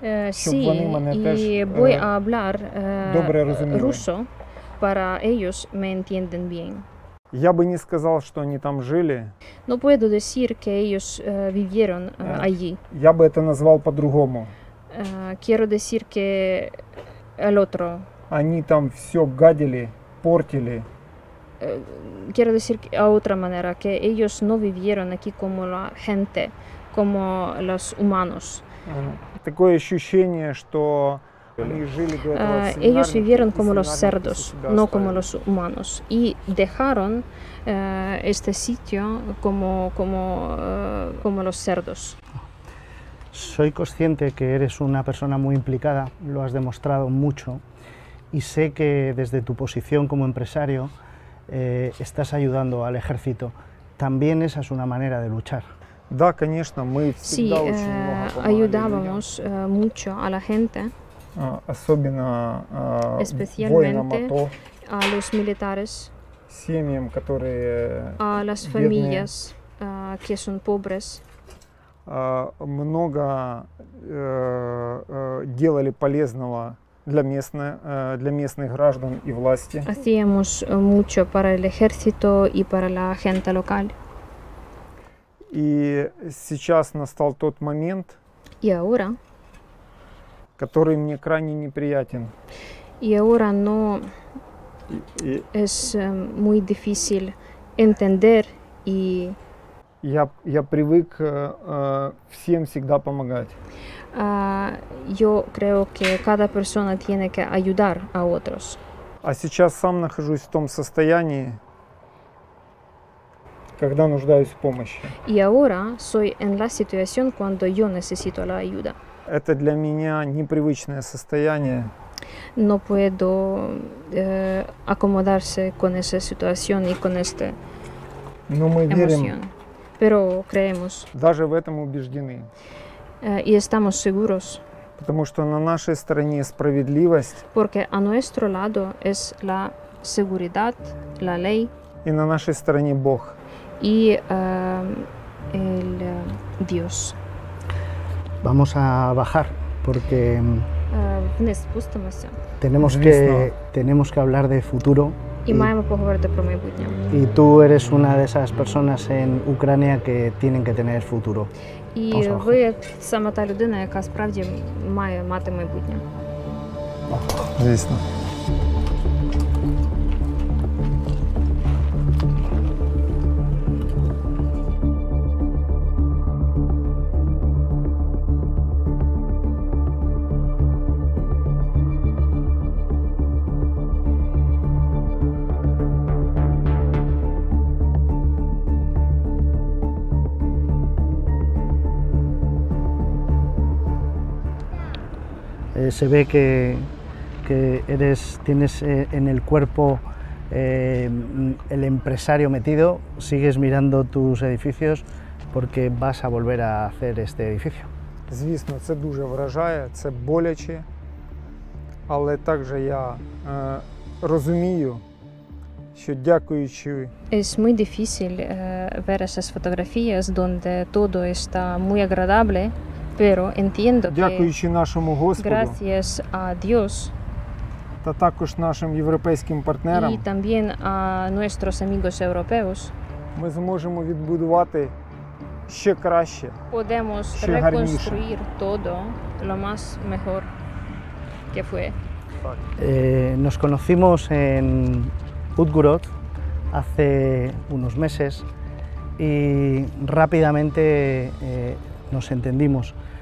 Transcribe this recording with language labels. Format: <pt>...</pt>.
<es>Sí, y voy a hablar ruso para ellos me entienden bien.</es> <uk>Я би не сказав, що вони там жили.</uk> <es>No puedo decir que ellos vivieron allí.</es> <uk>Я би це назвав по-другому.</uk> <es>Quiero decir que el otro.</es> <ru>Они там все гадили, портили.</ru> <es>Quiero decir a otra manera que ellos no vivieron aquí como la gente, como los humanos.</es> <ru>Такое ощущение, что они жили до этого в семинарии.</ru> <es>Ellos vivieron como los cerdos, no como los humanos. Y dejaron este sitio como los cerdos. Soy consciente que eres una persona muy implicada, lo has demostrado mucho. Y sé que desde tu posición como empresario estás ayudando al ejército. también esa es una manera de luchar.</es> <ru>Да, конечно, мы всегда</ru> <es>sí,</es> <ru>очень много помогали</ru> <es>ayudábamos</es> <ru>людям.</ru> <es>Mucho a la gente.</es> <ru>Особенно воинам АТО,</ru> <es>a los militares,</es> <ru>семьям, которые</ru> <es>a las familias, que son pobres.</es> <ru>Много делали полезного для местных, для местных граждан и власти.</ru> <es>Hacíamos mucho para el ejército y para la gente local.</es> <ru>И сейчас настал тот момент,</ru> <es>y ahora,</es> <ru>который мне крайне неприятен.</ru> <es>Y ahora, no, es muy difícil entender y</es> <ru>Я привык всем всегда помогать.</ru> <es>Yo creo que cada persona tiene que ayudar a otros.</es> <ru>А сейчас сам нахожусь в том состоянии, когда нуждаюсь в помощи.</ru> <es>Y ahora soy en la situación cuando yo necesito la ayuda.</es> <ru>Это для меня непривычное состояние.</ru> <es>No puedo acomodarse con esa situación y con esta</es> <ru>Но мы</ru> <es>emoción.</es> <ru>Верим.</ru> <es>Pero creemos.</es> <ru>Даже в этом убеждены.</ru> <es>Y estamos seguros.</es> <ru>Потому что на нашей стороне справедливость.</ru> <es>Porque a nuestro lado es la seguridad, la ley.</es> <ru>И на нашей стороне Бог.</ru> <es>Y el Dios. Vamos a bajar porque</es> <uk>вниз спустимося.</uk> <es>Tenemos que hablar de futuro.</es> <uk>Y маємо поговорити про майбутнє.</uk> <es>Y tú eres una de esas personas en Ucrania que tienen que tener futuro.</es> <uk>Y ви саме та людина, яка справді має мати майбутнє. Звісно.</uk> <es>Se ve que eres tienes en el cuerpo el empresario metido. Sigues mirando tus edificios porque vas a volver a hacer este edificio.</es> <uk>Звісно, це дуже вражає, це боляче, але також я розумію, що дякуючи.</uk> <es>Es muy difícil ver esas fotografías donde todo está muy agradable. Pero entiendo</es> <uk>Дякуючи</uk> <es>que,</es> <uk>нашому Господу</uk> <es>gracias a Dios,</es> <uk>та також нашим європейським партнерам</uk> <es>y también a nuestros amigos europeos,</es> <uk>ми зможемо відбудувати ще краще,</uk> <es>podemos</es> <uk>ще</uk> <es>reconstruir</es> <uk>гарніше.</uk> <es>Todo lo más mejor que fue. Nos conocimos en Udgorod hace unos meses y rápidamente nos entendimos.</es>